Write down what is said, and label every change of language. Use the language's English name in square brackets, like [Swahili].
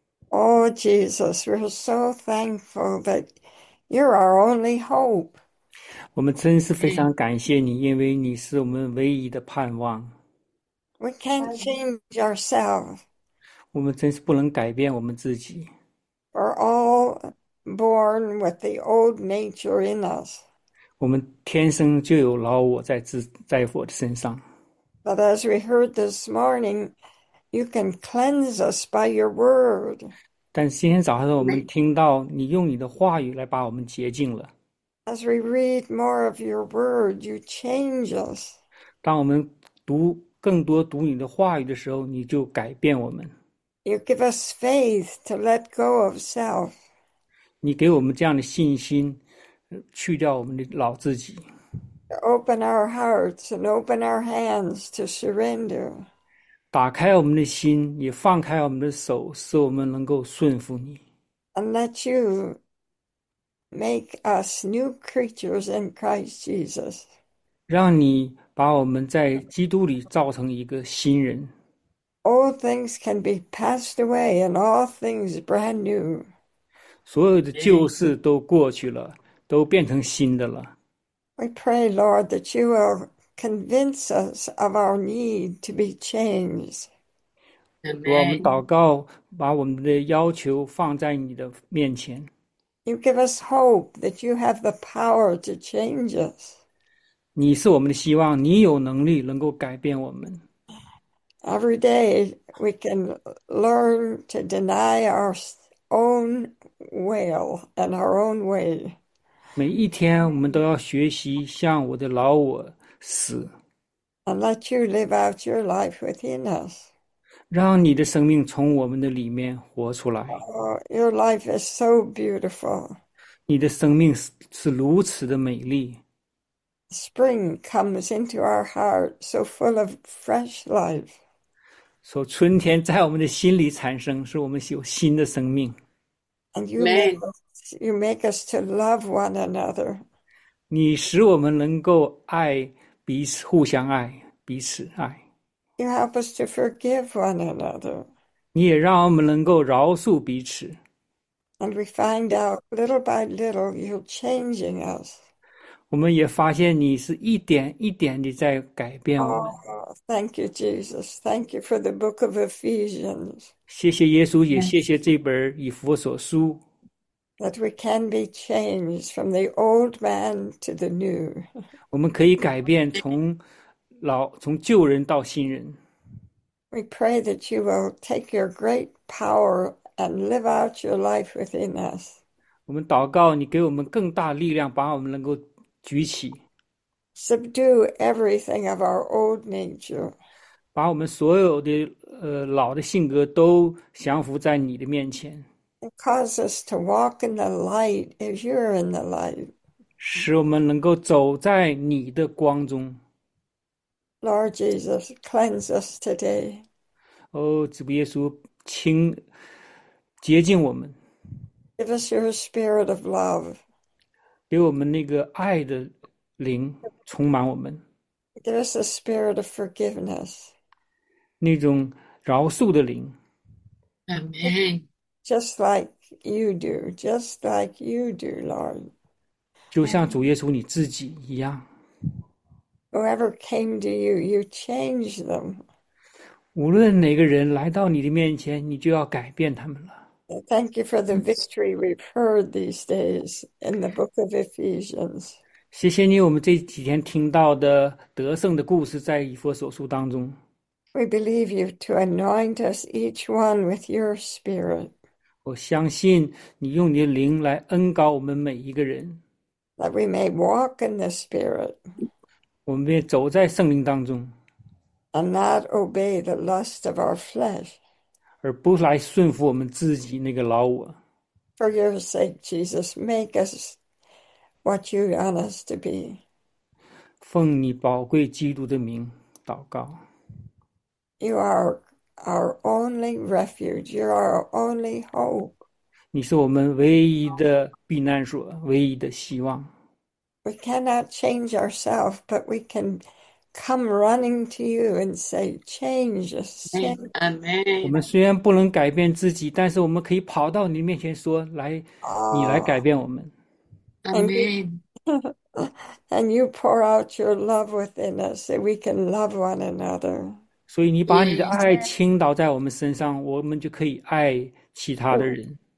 [English] Oh, Jesus, we're so thankful that you're our only hope. [Chinese] 我们真是非常 [English] Amen. [Chinese] 感谢你，因为你是我们唯一的盼望。 [English] We can't change ourselves. [Chinese] 我们真是不能改变我们自己。 [English] We're all born with the old nature in us. [Chinese] 我们天生就有老我在我的身上。 [English] But as we heard this morning, you can cleanse us by your word. [Chinese] 但今天早上我们们。听到你用你的话语来把我们洁净了。 [English] As we read more of your word, you change us. [Chinese] 当我们读更多读你的话语的时候，你就改变我们。 [English] You give us faith to let go of self. [Chinese] 你给我们这样的信心，去掉我们的老自己。 [English] Open our hearts and open our hands to surrender. [Chinese] 打开我们的心，也放开我们的手，使我们能够顺服你。 [English] And let you make us new creatures in Christ Jesus. [Chinese] 让你把我们在基督里造成一个新人。 [English] Old things can be passed away and all things brand new. [Chinese] 所有的旧事都过去了，都变成新的了。 [English] We pray, Lord, that you will convince us of our need to be changed. [Chinese] 主啊，我们祷 [English] Amen. [Chinese] 告，把我们的要求放在你的面前。 [English] You give us hope that you have the power to change us. [Chinese] 你是我们的希望，你有能力能够改变我们。 [English] Every day we can learn to deny our own will and our own way. [Chinese] 每一天，我们都要学习向我的老我死。 [English] And let you live out your life within us. [Chinese] 让你的生命从我们的里面活出来。 [English] Oh, your life is so beautiful. [Chinese] 你的生命是如此的美丽。 [English] Spring comes into our heart so full of fresh life. [Chinese] 说春天在我们的心里产生，使我们有新的生命。 [English] And you make us to love one another. [Chinese] 你使我们能够爱彼此，互相爱，彼此爱。 [English] You help us to forgive one another. [Chinese] 你也让我们能够饶恕彼此。 [English] And we find out little by little you're changing us. [Chinese] 我们也发现你是一点一点的在改变我们。 [English] Oh, thank you, Jesus. Thank you for the book of Ephesians. [Chinese] 谢谢耶稣，也谢 [English] Yes. [Chinese] 谢这本以弗所书。 [English] That we can be changed from the old man to the new. [Chinese] 我们可以改变从旧人到新人。 [English] We pray that you will take your great power and live out your life within us. [Chinese] 我们祷告，你给我们更大力量，把我们能够举起， [English] Subdue everything of our old nature. [Chinese] 把我们所有的老的性格都降服在你的面前， [English] It causes us to walk in the light as you're in the light. [Chinese] 使我们能够走在你的光中。 [English] Lord Jesus, cleanse us today. [Chinese] 哦，主耶稣，清洁净我们。 [English] Give us your spirit of love. [Chinese] 给我们那个爱的灵充满我们， [English] Give us a spirit of forgiveness. [Chinese] 那种饶恕的灵， [English] Amen. Just like you do, just like you do, Lord. [Chinese] 就像主耶稣你自己一样， [English] Whoever came to you, you change them. [Chinese] 无论哪个人来到你的面前，你就要改变他们了。 [English] Thank you for the victory we've heard these days in the book of Ephesians. [Chinese] 谢谢你，我们这几天听到的得胜的故事，在以弗所书当中， [English] We believe you to anoint us each one with your spirit. [Chinese] 我相信你用你的灵来恩膏我们每一个人， [English] That we may walk in the spirit. [Chinese] 我们也走在圣灵当中， [English] And not obey the lust of our flesh. [Chinese] 而不来顺服我们自己那个老我。 [English] For your sake, Jesus, make us what you want us to be. [Chinese] 奉你宝贵基督的名祷告， [English] You are our only refuge. You are our only hope. [Chinese] 你是我们唯一的避难所，唯一的希望。 [English] We cannot change ourselves, but we can come running to you and say, Change us, change [Chinese] 我 [English] us. [Chinese] 们虽然不能改变自己，但是我们可以跑到你面前说：“来，你来改变我们。 ” [English] Amen. And you pour out your love within us so we can love one another. [Chinese] 所以你把你的 [English] Yes. [Chinese] 爱倾倒在我们身上，我们就可以爱其他的人。